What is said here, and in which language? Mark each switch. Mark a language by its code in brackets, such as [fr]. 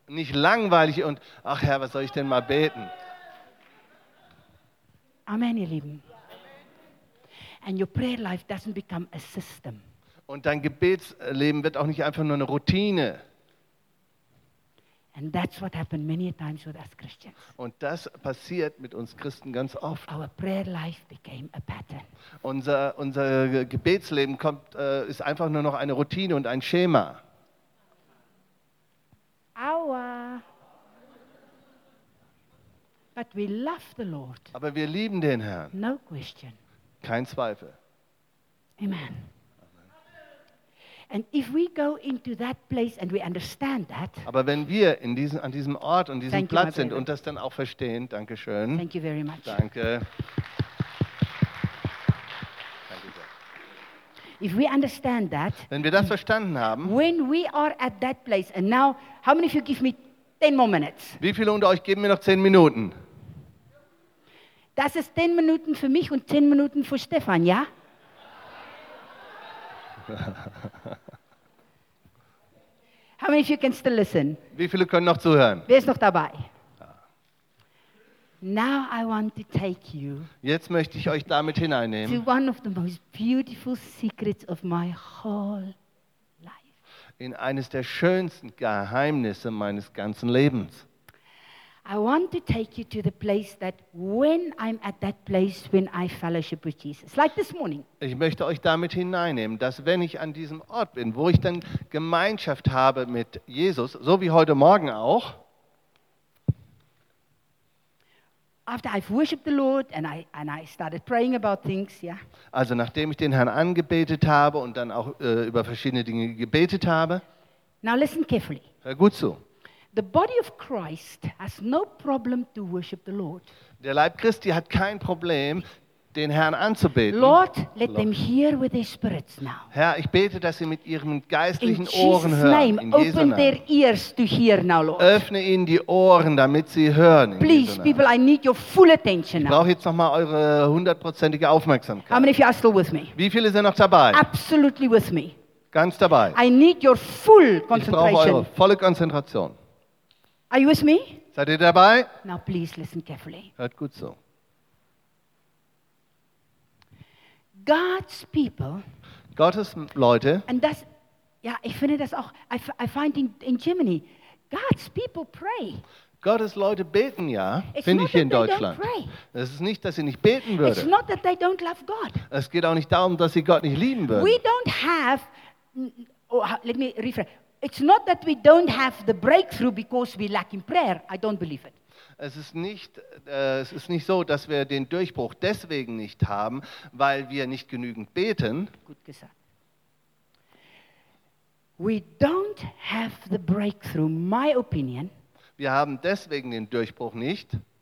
[de] Nicht langweilig und ach Herr, was soll ich denn mal beten? Amen, ihr Lieben. [en] And your prayer life doesn't become a system. [de] Und dein Gebetsleben wird auch nicht einfach nur eine Routine. [en] And that's what happened many times with us Christians. [de] Und das passiert mit uns Christen ganz oft. [en] Our prayer life became a pattern. [de] Unser Gebetsleben ist einfach nur noch eine Routine und ein Schema. Aua. [en] But we love the Lord. [de] Aber wir lieben den Herrn. [en] No question. [de] Kein Zweifel. Amen. [en] And if we go into that place and we understand that. [de] Aber wenn wir an diesem Ort und diesem Platz sind und das dann auch verstehen, danke schön. [en] Thank you very much. [de] Danke. [en] If we understand that. [de] Wenn wir das verstanden haben. [en] When we are at that place and now how many of you give me 10 more minutes? [de] Wie viele unter euch geben mir noch 10 Minuten? Das ist 10 Minuten für mich und 10 Minuten für Stefan, ja? [en] How many of you can still listen? [de] Wie viele können noch zuhören? Wer ist noch dabei? [en] Now I want to take you. [de] Jetzt möchte ich euch damit hineinnehmen. [en] To one of the most beautiful secrets of my whole life. [de] In eines der schönsten Geheimnisse meines ganzen Lebens. [en] I want to take you to the place that when I'm at that place when I fellowship with Jesus. Like this morning. [de] Ich möchte euch damit hineinnehmen, dass wenn ich an diesem Ort bin, wo ich dann Gemeinschaft habe mit Jesus, so wie heute Morgen auch. [en] After I've worshiped the Lord and I started praying about things, yeah. [de] Also nachdem ich den Herrn angebetet habe und dann auch über verschiedene Dinge gebetet habe. [en] Now listen carefully. [de] Hör gut zu. [en] The body of Christ has no problem to worship the Lord. [de] Der Leib Christi hat kein Problem, den Herrn anzubeten. [en] Lord, let them hear with their spirits now. [de] Herr, ich bete, dass sie mit ihren geistlichen [en] In [de] Ohren [en] Jesus [de] hören. [en] Name, open [de] Jesu Namen. [en] Their ears to hear now, Lord. [de] Öffne ihnen die Ohren, damit sie hören. [en] Please, people, I need your full attention now. [de] Ich brauche jetzt noch mal eure 100%ige Aufmerksamkeit. [en] How many of you are still with me? [de] Wie viele sind noch dabei? [en] Absolutely with me. [de] Ganz dabei. [en] I need your full concentration. [de] Ich brauche eure volle Konzentration. [en] Are you with me? [de] Seid ihr dabei? [en] Now please listen carefully. [de] Hört gut so. [en] God's people, [de] Gottes Leute, and das, ja, ich finde das auch, [en] I find in Germany, God's people pray. [de] Gottes Leute beten ja, finde ich hier in Deutschland. Es ist nicht, dass sie nicht beten würden. [en] It's not that they don't love God. [de] Es geht auch nicht darum, dass sie Gott nicht lieben würden. [en] We don't have, oh, let me rephrase. It's not that we don't have the breakthrough because we lack in prayer. I don't believe it. [de] Es ist nicht so, dass wir den Durchbruch deswegen nicht haben, weil wir nicht genügend beten. Gut gesagt. [en] We don't have the breakthrough, my opinion. [de] Wir haben deswegen den Durchbruch nicht.